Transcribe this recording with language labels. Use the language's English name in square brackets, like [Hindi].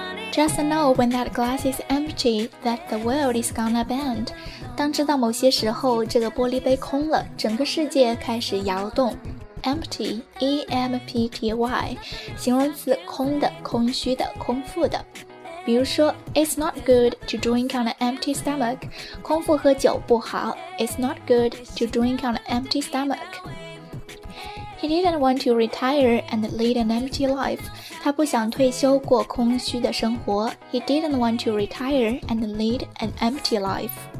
[English] Just know when that glass is empty, that the world is gonna bend. [Chinese] 当知道某些时候这个玻璃杯空了，整个世界开始摇动。 [English] Empty, E-M-P-T-Y, [Chinese] 形容词空的、空虚的、空腹的。比如说 [English] ,It's not good to drink on an empty stomach. [Chinese] 空腹喝酒不好。 [English] It's not good to drink on an empty stomach. He didn't want to retire and lead an empty life. [Chinese] 他不想退休过空虚的生活。 [English] He didn't want to retire and lead an empty life.